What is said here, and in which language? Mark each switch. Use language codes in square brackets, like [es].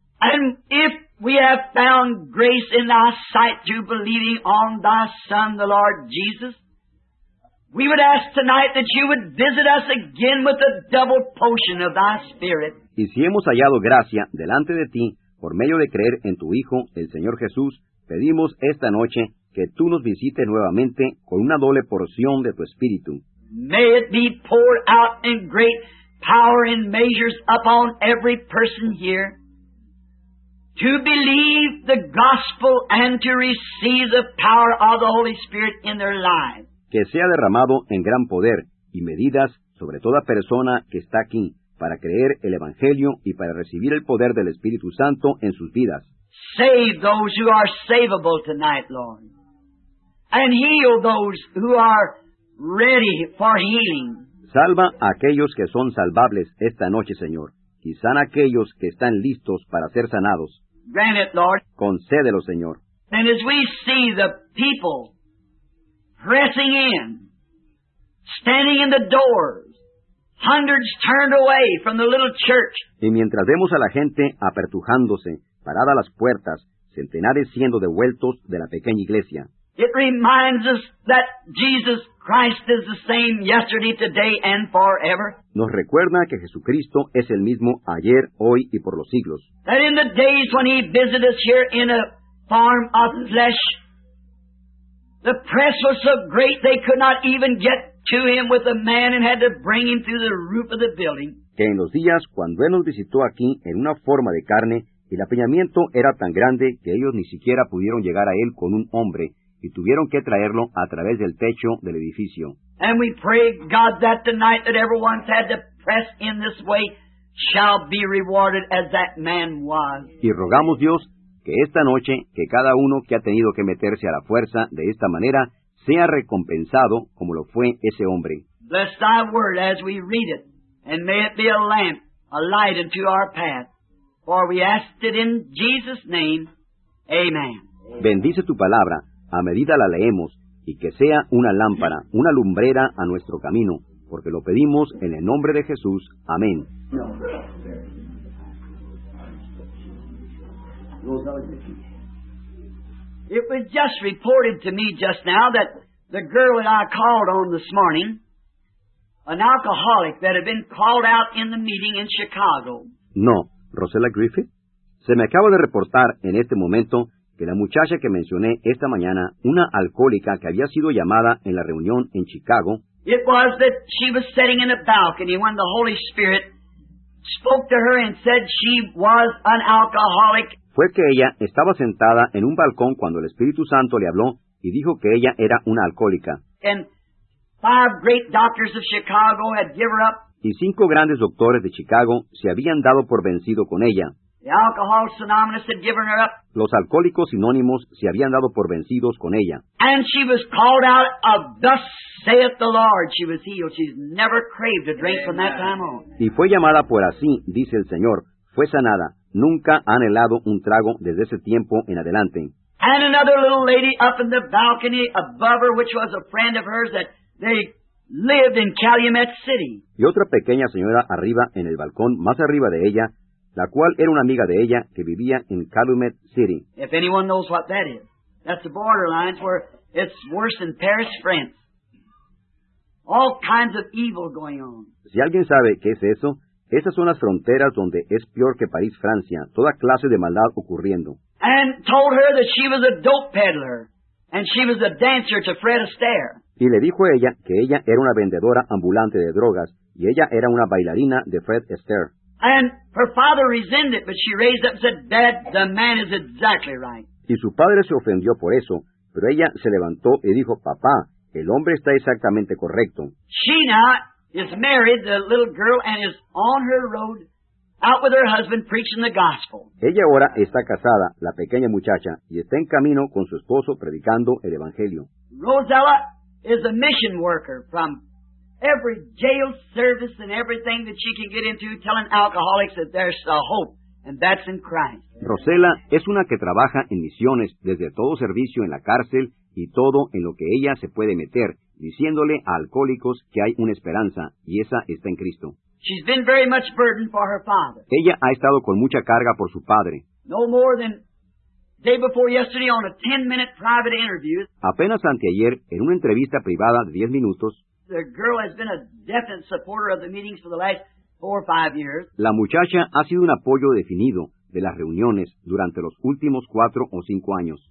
[en] And if we have found grace in thy sight through believing on thy Son, the Lord Jesus, we would ask tonight that you would visit us again with a double portion of thy Spirit. [es] Y si hemos hallado gracia delante de ti por medio de creer en tu Hijo, el Señor Jesús, pedimos esta noche que tú nos visites nuevamente con una doble porción de tu Espíritu. [en] May it be poured out in great power and measures upon every person here to believe the gospel and to receive the power of the Holy Spirit in their lives. [es] Que sea derramado en gran poder y medidas sobre toda persona que está aquí para creer el Evangelio y para recibir el poder del Espíritu Santo en sus vidas. [en] Save those who are savable tonight, Lord. And heal those who are ready for healing. [es] Salva a aquellos que son salvables esta noche, Señor, y sana a aquellos que están listos para ser sanados. [en] Grant it, Lord. [es] Concédelo, Señor. [en] And as we see the people pressing in, standing in the doors, hundreds turned away from the little church. [es] Y mientras vemos a la gente apertujándose, parada a las puertas, centenares siendo devueltos de la pequeña iglesia. [en] It reminds us that Jesus Christ is the same yesterday, today, and forever. [es] Nos recuerda que Jesucristo es el mismo ayer, hoy y por los siglos. [en] That in the days when he visited us here in a form of flesh, the press was so great they could not even get to him with a man and had to bring him through the roof of the building. [es] Que en los días cuando él nos visitó aquí en una forma de carne, el apiñamiento era tan grande que ellos ni siquiera pudieron llegar a él con un hombre y tuvieron que traerlo a través del techo del edificio. [en] And we pray God that tonight that everyone's had to press in this way shall be rewarded as that man was. [es] Y rogamos Dios que esta noche que cada uno que ha tenido que meterse a la fuerza de esta manera sea recompensado como lo fue ese hombre. [en] Bless thy word as we read it, and may it be a lamp, a light unto our path. For we ask it in Jesus' name. Amen. [es] Bendice tu palabra a medida la leemos, y que sea una lámpara, una lumbrera a nuestro camino, porque lo pedimos en el nombre de Jesús. Amén. No. [en] It was just reported to me just now that the girl that I called on this morning, an alcoholic that had been called out in the meeting in Chicago. No, Rosella Griffith. [es] Se me acaba de reportar en este momento que la muchacha que mencioné esta mañana, una alcohólica que había sido llamada en la reunión en Chicago, [en] it was that she was sitting in a balcony when the Holy Spirit spoke to her and said she was an alcoholic. [es] Fue que ella estaba sentada en un balcón cuando el Espíritu Santo le habló y dijo que ella era una alcohólica. [en] And five great doctors of Chicago had given up. [es] Y cinco grandes doctores de Chicago se habían dado por vencido con ella. [en] The alcohol synonymous had given her up. [es] Los alcohólicos sinónimos se habían dado por vencidos con ella. [en] And she was called out of thus saith the Lord. She was healed. She's never craved a drink from that time on. [es] Y fue llamada por así, dice el Señor. Fue sanada. Nunca ha anhelado un trago desde ese tiempo en adelante. [en] And another little lady up in the balcony above her, which was a friend of hers, that they lived in Calumet City. [es] Y otra pequeña señora arriba en el balcón, más arriba de ella, la cual era una amiga de ella que vivía en Calumet City. [en] If anyone knows what that is, that's the borderline where it's worse than Paris, France. All kinds of evil going on. [es] Si alguien sabe qué es eso, esas son las fronteras donde es peor que París, Francia, toda clase de maldad ocurriendo. [en] And told her that she was a dope peddler, and she was a dancer to Fred Astaire. [es] Y le dijo a ella que ella era una vendedora ambulante de drogas, y ella era una bailarina de Fred Astaire. [en] And her father resented it, but she raised up and said, Dad, the man is exactly right. [es] Y su padre se ofendió por eso, pero ella se levantó y dijo, Papá, el hombre está exactamente correcto. [en] She now is married, the little girl, and is on her road out with her husband preaching the gospel. [es] Ella ahora está casada, la pequeña muchacha, y está en camino con su esposo predicando el evangelio. [en] Rosella is a mission worker from every jail service and everything that she can get into telling alcoholics that there's a hope, and that's in Christ. [es] Rosella es una que trabaja en misiones desde todo servicio en la cárcel y todo en lo que ella se puede meter, diciéndole a alcohólicos que hay una esperanza, y esa está en Cristo. [en] She's been very much burdened for her father. [es] Ella ha estado con mucha carga por su padre. [en] No more than day before yesterday on a 10-minute private interview. [es] Apenas anteayer, en una entrevista privada de 10 minutos, [en] the girl has been a definite supporter of the meetings for the last 4 or 5 years. [es] La muchacha ha sido un apoyo definido de las reuniones durante los últimos 4 o 5 años.